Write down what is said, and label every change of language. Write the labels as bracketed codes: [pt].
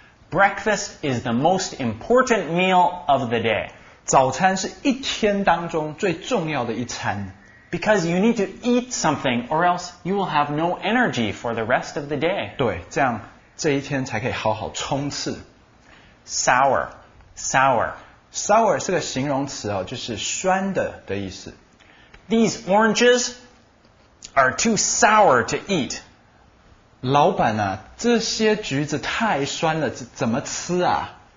[en] Breakfast is the most important meal of the day. [zh] 早餐是一天当中最重要的一餐。 [en] Because you need to eat something or else you will have no energy for the rest of the day. [zh] 对，这样这一天才可以好好冲刺。 [en] Sour, sour. [zh] Sour 是个形容词哦，就是酸的的意思。 [en] These oranges are too sour to eat. [zh] 老板啊，这些橘子太酸了，怎么吃啊？